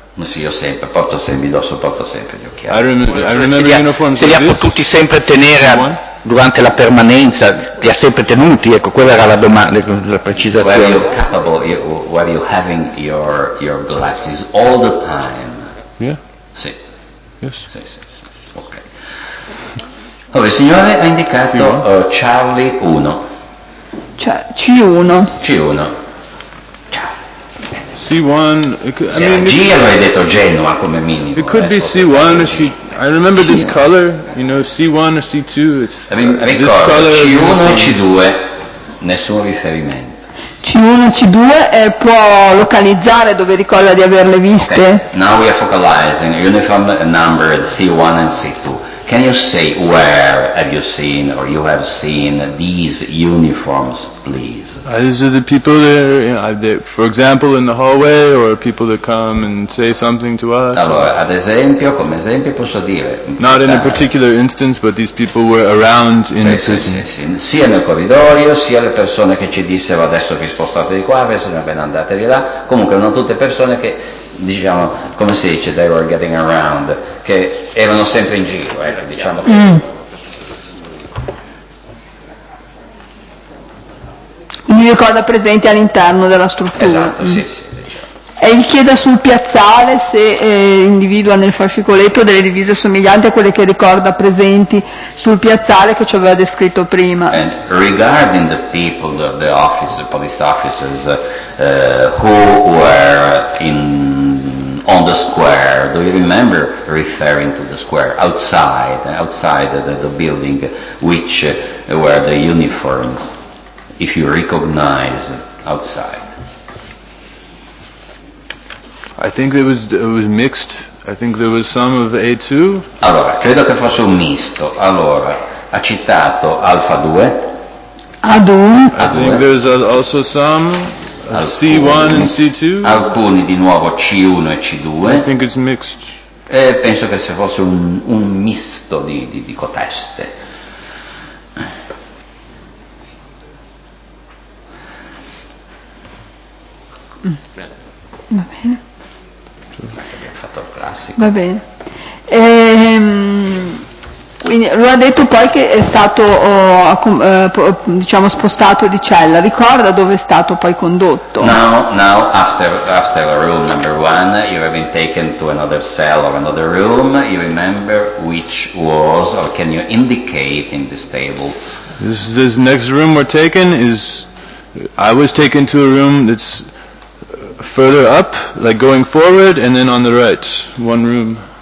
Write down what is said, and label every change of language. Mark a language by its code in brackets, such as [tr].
[it] Ma sì, io sempre porto sempre, indosso, porto sempre gli occhiali. Se li ha potuti sempre tenere durante la permanenza, li ha sempre tenuti, ecco, quella era la domanda, la precisazione. [en] Were you capable, were you having your glasses all the time? Yeah. [it] Sì. [en] Yes. [it] Sì, sì, sì. Ok. Allora, il signore ha indicato Charlie 1. C1. C1. C1, Giro hai detto Genoa come minimo. [en] It could be C1, I remember this color, you know, C1 or C2. [it] Ricordo, C1 o C2, nessun riferimento. C1 e C2 può localizzare dove ricorda di averle viste. [en] Okay. Now we are focalizing uniform number C1 and C2. Can you say where have you seen or you have seen these uniforms, please? These are the people there, you know, for example, in the hallway, or people that come and say something to us. [it] Allora, ad esempio, come esempio posso dire. [en] Not in a particular instance, but these people were around in the prison. [it] Sì. Sia nel corridoio, sia le persone che ci dissero adesso vi spostate di qua, adesso ben andate di là. Comunque, non tutte persone che, diciamo, come si dice, [en] they were getting around, [it] che erano sempre in giro. Mi ricorda presenti all'interno della struttura. Esatto, sì, e gli chieda sul piazzale se individua nel fascicoletto delle divise somiglianti a quelle che ricorda presenti sul piazzale che ci aveva descritto prima. [en] And regarding the people, the office, the police officers who were in on the square, do you remember referring to the square outside the building, which were the uniforms, if you recognize outside? I think it was mixed. I think there was some of A2. [it] Allora, credo che fosse un misto. Allora, ha citato Alpha 2. A2. [en] I think there's also some C1 and C2. [it] Alcuni di nuovo C1 e C2. [en] I think it's mixed. [it] E penso che se fosse un misto di coteste. Va bene. Abbiamo fatto il classico. Va bene. Quindi lui ha detto poi che è stato diciamo spostato di cella. Ricorda dove è stato poi condotto? [en] Now after room number one, you have been taken to another cell or another room. You remember which was, or can you indicate in this table? This next room we're taken is, I was taken to a room that's further up, like going forward, and then on the right, one room.